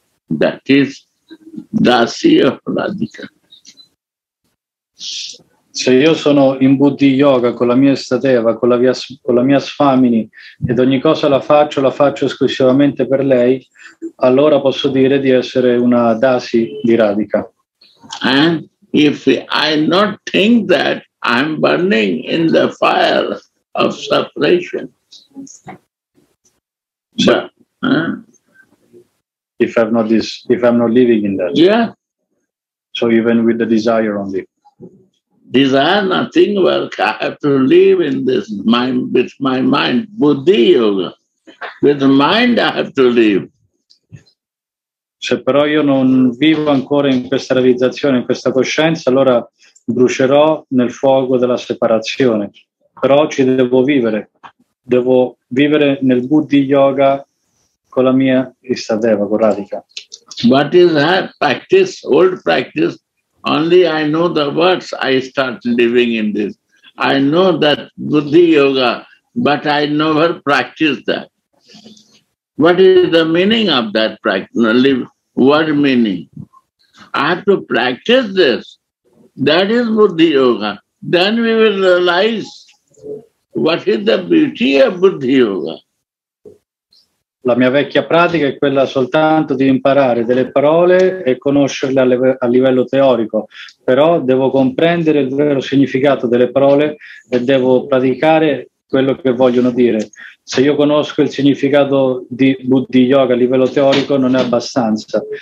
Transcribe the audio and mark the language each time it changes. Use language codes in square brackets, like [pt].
[en] That is Dasi of Radhika. [it] Se io sono in Buddhi Yoga con la mia Ishtadeva, con la mia Swamini, ed ogni cosa la faccio esclusivamente per lei, allora posso dire di essere una Dasi di Radhika. [en] And if I not think that I'm burning in the fire of separation. So, if I'm not living in that. Yeah. So even with the desire only. Desire nothing work. I have to live in this mind with my mind, Buddhi Yoga. With mind I have to live. [it] Se però io non vivo ancora in questa realizzazione, in questa coscienza, allora brucerò nel fuoco della separazione. Però ci devo vivere. Devo vivere nel Buddhi Yoga con la mia Ishtadeva, con Radhika. [en] What is that practice, old practice? Only I know the words, I start living in this. I know that Buddhi Yoga, but I never practice that. What is the meaning of that practice? What meaning? I have to practice this. That is Buddhi Yoga. Then we will realize what is the beauty of Buddhi Yoga. [it] La mia vecchia pratica è quella soltanto di imparare delle parole e conoscerle a livello teorico. Però devo comprendere il vero significato delle parole e devo praticare quello che vogliono dire. Se io conosco il significato di Buddhi Yoga a livello teorico non è abbastanza.